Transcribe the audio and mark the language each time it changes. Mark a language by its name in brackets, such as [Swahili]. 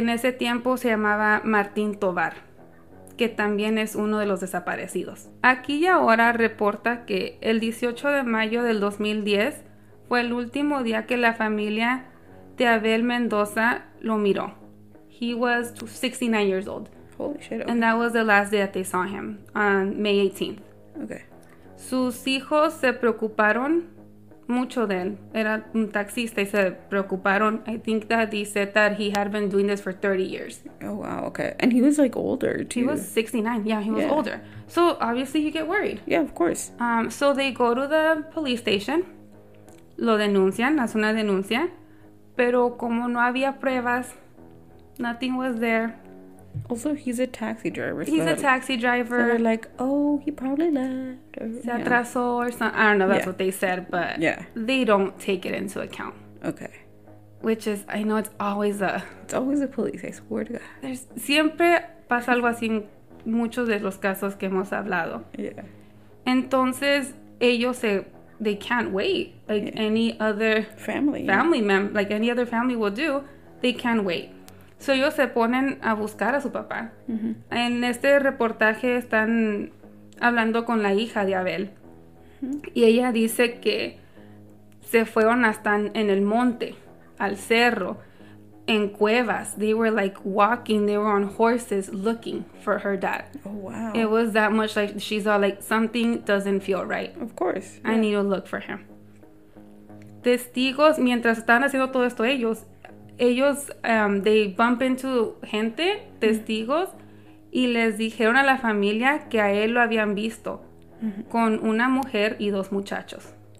[Spanish] Que en ese tiempo se llamaba Martín Tovar, que también es uno de los desaparecidos. Aquí y Ahora reporta que el 18 de mayo del 2010 fue el último día que la familia de Abel Mendoza lo miró. [English] He was 69 years old. Holy shit. Okay. And that was the last day that they saw him on May 18th. Okay. [Spanish] Sus hijos se preocuparon mucho de él. Era un taxista y se preocuparon. [English] I think that he said that he had been doing this for 30 years. Oh, wow. Okay. And he was like older too. He was 69. Yeah, he was older. So obviously you get worried. Yeah, of course. So they go to the police station. [Spanish] Lo denuncian. Hace una denuncia. Pero como no había pruebas, [English] nothing was there. Also, he's a taxi driver. He's a taxi driver. So they're like, oh, he probably left. [Spanish] Se atrasó [English] or something. I don't know. That's what they said. But they don't take it into account. Okay. Which is, I know it's always a... It's always the police. I swear to God. There's [Spanish] siempre pasa algo así en muchos de los casos que hemos hablado. [English] Yeah. [Spanish] Entonces, ellos se... [English] They can't wait. Like any other family member, like any other family will do, they can't wait. [Spanish] So ellos se ponen a buscar a su papá. Mm-hmm. En este reportaje están hablando con la hija de Abel. Mm-hmm. Y ella dice que se fueron hasta en el monte, al cerro, en cuevas. [English] They were like walking, they were on horses looking for her dad. Oh, wow. It was that much like she's all like, something doesn't feel right. Of course. Yeah. I need to look for him. [Spanish] Testigos, mientras están haciendo todo esto ellos... Ellos, [English] they bump into [Spanish] gente, testigos, y les dijeron a la familia que a él lo habían visto con una mujer y dos muchachos.